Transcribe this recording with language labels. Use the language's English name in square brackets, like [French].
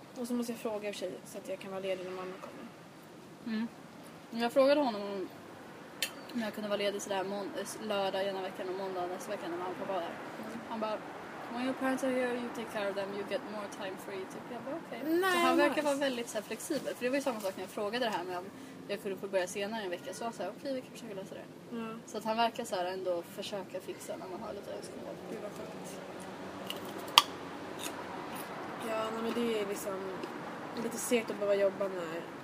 [Swedish] Och så måste jag fråga för sig så att jag kan vara ledig när mamma kommer. Mm. Jag frågade honom om jag kunde vara ledig sådär lördag ena veckan och måndag nästa vecka när mamma var där. Mm. [English] Han bara, when your parents are here, you take care of them, you get more time free. [Swedish] Typ. Jag bara, okej. Okay. Han verkar vara väldigt så här flexibel. För det var ju samma sak när jag frågade det här med om jag kunde få börja senare en vecka. Så jag sa, okej, vi kan försöka lösa det. Mm. Så att han verkar så här ändå försöka fixa när man har lite önskemål. Gud vad fint. Ja, nej, men det är liksom lite segt att behöva jobba när.